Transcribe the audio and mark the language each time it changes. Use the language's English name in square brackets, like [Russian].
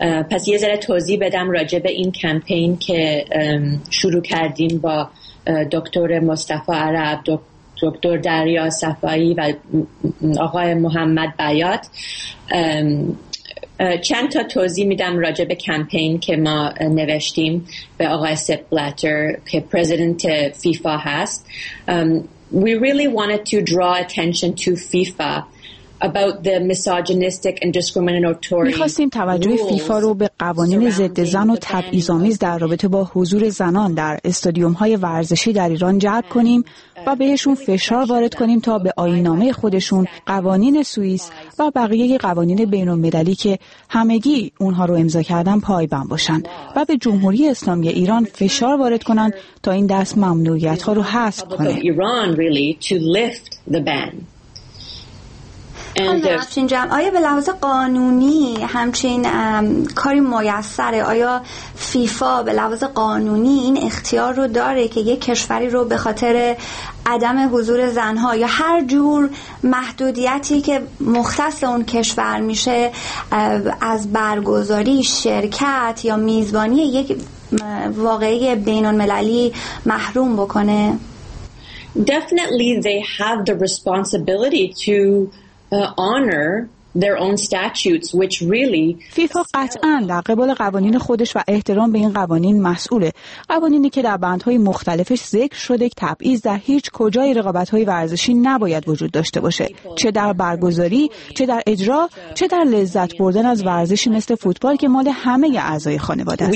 [Persian] پس یه ذره توضیح بدم راجع به این کمپین که شروع کردیم با دکتر مصطفی عرب، دکتر دریا صفائی و آقای محمد بیات. چند تا توضیح میدم راجع به کمپین که ما نوشتیم به آقای سپ بلاتر که پرزیدنت فیفا هست. [English] We really wanted to draw attention to FIFA about the misogynistic and discriminatory. [Persian] می‌خواستیم توجه فیفا رو به قوانین ضد زن و تبعیض‌آمیز در رابطه با حضور زنان در استادیوم‌های ورزشی در ایران جلب کنیم و بهشون فشار وارد کنیم تا به آیین‌نامه خودشون، قوانین سوئیس و بقیه قوانین بین‌المللی که همگی اونها رو امضا کردن پایبند باشن و به جمهوری اسلامی ایران فشار وارد کنن تا این دست ممنوعیت‌ها رو حذف کنه. آیا به لحاظ قانونی همچین کاری میسره؟ آیا فیفا به لحاظ قانونی این اختیار رو داره که یک کشوری رو به خاطر عدم حضور زنها یا هر جور محدودیتی که مختص اون کشور میشه از برگزاری شرکت یا میزبانی یک واقعه بین المللی محروم بکنه؟ [English] Definitely they have the responsibility to honor their own statutes, which really [Persian] فیفا قطعاً در قبال قوانین خودش و احترام به این قوانین مسئوله. قوانینی که در بندهای مختلفش ذکر شده که تبعیض در هیچ کجای رقابت‌های ورزشی نباید وجود داشته باشه، چه در برگزاری، چه در اجرا، چه در لذت بردن از ورزشی مثل فوتبال که مال همه اعضای خانواده است.